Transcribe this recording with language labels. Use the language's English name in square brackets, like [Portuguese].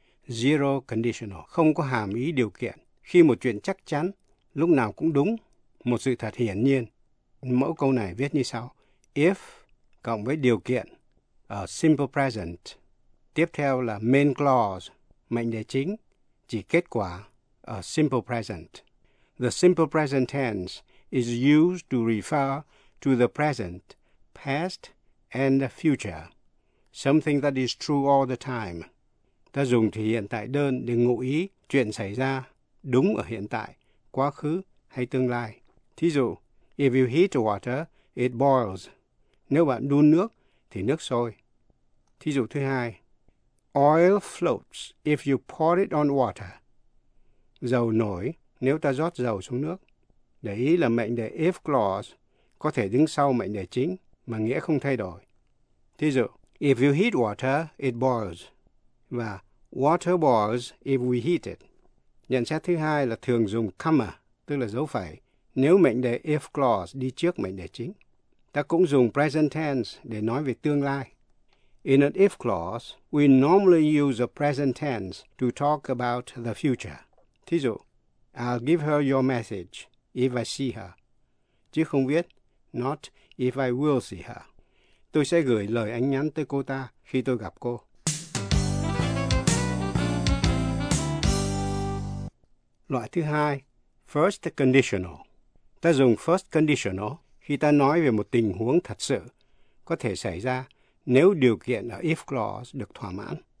[Vietnamese] Zero conditional không có hàm ý điều kiện. Khi một chuyện chắc chắn, lúc nào cũng đúng, một sự thật hiển nhiên. Mẫu câu này viết như sau. If cộng với điều kiện ở simple present. Tiếp theo là main clause, mệnh đề chính, chỉ kết quả ở simple present. [English] The simple present tense is used to refer to the present, past, and the future, something that is true all the time. [Vietnamese] Ta dùng thì hiện tại đơn để ngụ ý chuyện xảy ra đúng ở hiện tại, quá khứ hay tương lai. Thí dụ, [English] if you heat water, it boils. [Vietnamese] Nếu bạn đun nước, thì nước sôi. Thí dụ thứ hai, [English] oil floats if you pour it on water. [Vietnamese] Dầu nổi nếu ta rót dầu xuống nước. Để ý là mệnh đề if clause có thể đứng sau mệnh đề chính, mà nghĩa không thay đổi. [English] Thí dụ, if you heat water, it boils. [Vietnamese] Và [English] water boils if we heat it. [Vietnamese] Nhận xét thứ hai là thường dùng comma, tức là dấu phẩy, nếu mệnh đề if clause đi trước mệnh đề chính. Ta cũng dùng present tense để nói về tương lai. [English] In an if clause, we normally use a present tense to talk about the future. [Vietnamese] Thí dụ, [English] I'll give her your message if I see her. [Vietnamese] Chứ không viết, [English] not if I will see her. [Vietnamese] Tôi sẽ gửi lời anh nhắn tới cô ta khi tôi gặp cô. Loại thứ hai, first conditional. Ta dùng first conditional khi ta nói về một tình huống thật sự có thể xảy ra nếu điều kiện ở if clause được thỏa mãn.